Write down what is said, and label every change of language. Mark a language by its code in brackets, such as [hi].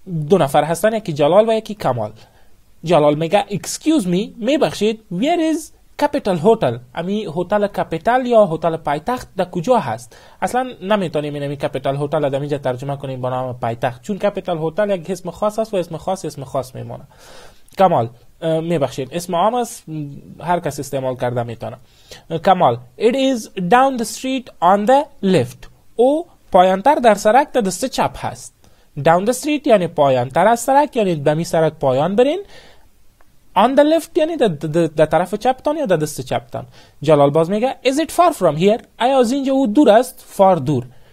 [fa] دو نفر هستن، یکی جلال و یکی کمال. جلال میگه [en] excuse me، [fa] میبخشید، [en] where is capital hotel؟ [fa] امی هتل کپیتال یا هتل پایتخت در کجا هست؟ اصلا نمیتونیم این امی کپیتال هتل در اینجا ترجمه کنیم با نام پایتخت، چون کپیتال هتل یک اسم خاص است و اسم خاص میمونه. کمال میبخشید، اسم عام است، هر کس استعمال کرده میتونه. [en] کمال: It is down the street on the left. [fa] او پایانتر در سرک تا دست چپ هست. [en] down the street [fa] یعنی پایانتر از سرک، یعنی دمی سرک پایان برین. [en] on the left [fa] یعنی در طرف چپ تان یا در دست چپ تان. جلال باز میگه [en] Is it far from here؟ [fa] آیا از اینجا او دور است؟ far دور.